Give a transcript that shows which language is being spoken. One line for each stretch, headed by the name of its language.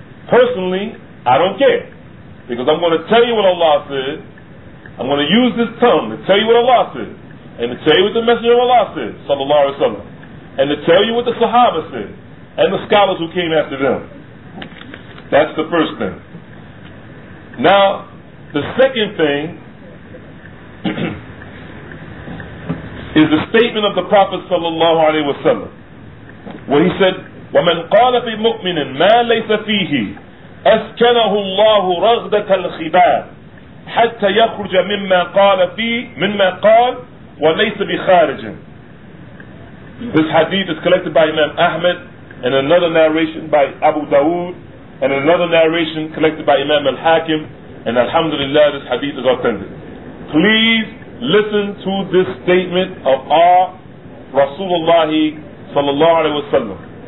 English: Personally, I don't care. Because I'm going to tell you what Allah said. I'm going to use this tongue to tell you what Allah said. And to tell you what the Messenger of Allah said, sallallahu alaihi wasallam. And to tell you what the Sahaba said, and the scholars who came after them. That's the first thing. Now, the second thing is the statement of the Prophet sallallahu alaihi wasallam, where he said,
Arabic: وَمَنْ قَالَ فِي مُؤْمِنٍ مَا لَيْسَ فِيهِ أَسْكَنَهُ اللَّهُ رَغْدَةَ الْخِبَابِ حَتَّى يَخْرُجَ مِمَّا قَالَ فِيهِ مِمَّا قَالَ وَلَيْسَ بِخَارِجٍ.
English: This hadith is collected by Imam Ahmed, and another narration by Abu Dawood, and another narration collected by Imam Al-Hakim, and alhamdulillah, this hadith is authentic. Please listen to this statement of our Rasulullah sallallahu alayhi wa sallam.